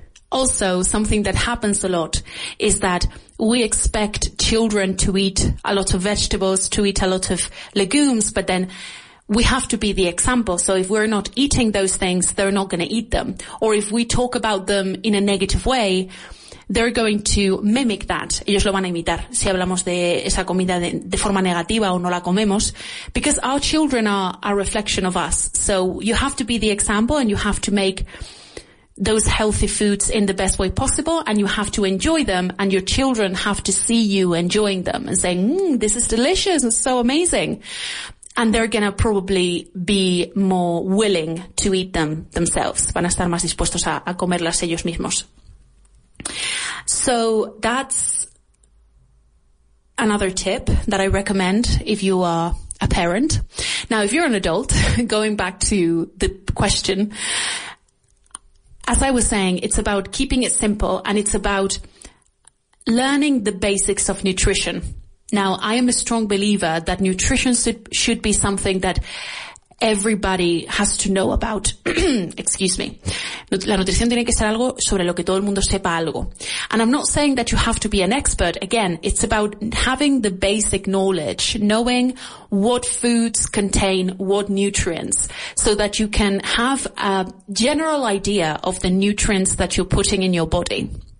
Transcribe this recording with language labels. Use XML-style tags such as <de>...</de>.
<en>Also, something that happens a lot is that we expect children to eat a lot of vegetables, to eat a lot of legumes, but then we have to be the example. So if we're not eating those things, they're not going to eat them. Or if we talk about them in a negative way, they're going to mimic that.</en> <es>Ellos lo van a imitar si hablamos de esa comida de forma negativa o no la comemos.</es> <en>Because our children are a reflection of us. So you have to be the example and you have to make those healthy foods in the best way possible, and you have to enjoy them, and your children have to see you enjoying them and saying, this is delicious, it's so amazing. And they're gonna probably be more willing to eat them themselves.</en> <es>Van a estar más dispuestos a comerlas ellos mismos.</es> <en>So that's another tip that I recommend if you are a parent. Now, if you're an adult, going back to the question, as I was saying, it's about keeping it simple and it's about learning the basics of nutrition. Now, I am a strong believer that nutrition should be something that everybody has to know about. Excuse me.</en> <es>La nutrición tiene que ser algo sobre lo que todo el mundo sepa algo.</es> <en>And I'm not saying that you have to be an expert. Again, it's about having the basic knowledge, knowing what foods contain what nutrients, so that you can have a general idea of the nutrients that you're putting in your body.</en>